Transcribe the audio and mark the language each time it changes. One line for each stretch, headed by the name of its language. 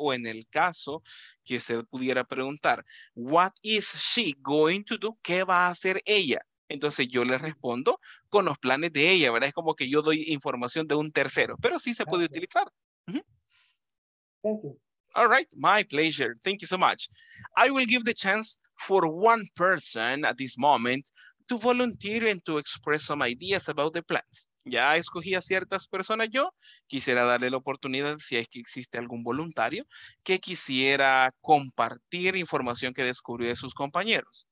Spanish: O en el caso que usted pudiera preguntar,
English: what is she going to do?
Spanish: ¿Qué va a hacer ella? Entonces yo le respondo con los planes de ella, ¿verdad? Es como que yo doy información de un tercero, pero sí se puede utilizar.
English: Thank you. All right, my pleasure. Thank you so much. I will give the chance for one person at this moment to volunteer and to express some ideas about the plans.
Spanish: Ya escogí a ciertas personas yo. Quisiera darle la oportunidad, si es que existe algún voluntario, que quisiera compartir información que descubrió de sus compañeros.